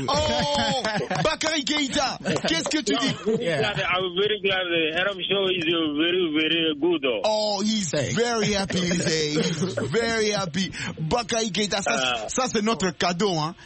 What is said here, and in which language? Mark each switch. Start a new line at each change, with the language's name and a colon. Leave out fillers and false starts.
French: Oh, Bakary Keita, qu'est-ce que tu dis?
English: Yeah. I'm very glad. The Aram show is very, very good. Oh, he's very happy, Lisey. Very happy.
French: Baka Ikeita, ça, ça c'est notre cadeau, hein.